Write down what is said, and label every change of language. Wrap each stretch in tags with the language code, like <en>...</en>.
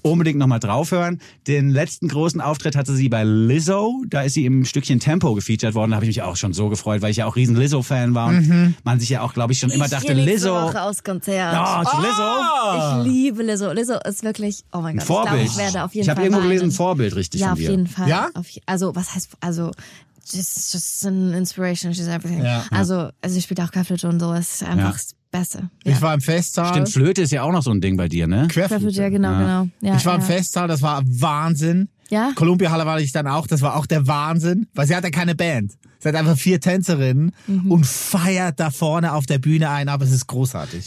<de>Unbedingt nochmal draufhören. Den letzten großen Auftritt hatte sie bei Lizzo, da ist sie im Stückchen Tempo gefeatured worden, da habe ich mich auch schon so gefreut, weil ich ja auch riesen Lizzo-Fan war und man sich ja auch, glaube ich, schon immer dachte, Lizzo. Ich liebe aus Konzert. Lizzo. Ich liebe Lizzo. Lizzo ist wirklich, oh mein Gott. Vorbild. Ich werde auf jeden Fall. Ich habe irgendwo gelesen, Vorbild, richtig. Ja, von dir. Auf jeden Fall. Ja? Also, was heißt, also,</de> <en>she's just an inspiration, she's everything.</en> <de>Ja. Also, sie spielt auch Kaffee und so, ist einfach Bässe. Ja. Ich war im Festsaal. Stimmt, Flöte ist ja auch noch so ein Ding bei dir, ne? Querflöte, ja, genau, ja. Genau. Ja, ich war im Festsaal, das war Wahnsinn. Ja? Columbia-Halle war ich dann auch, das war auch der Wahnsinn, weil sie hat ja keine Band. Sie hat einfach vier Tänzerinnen und feiert da vorne auf der Bühne ein, aber es ist großartig.</de>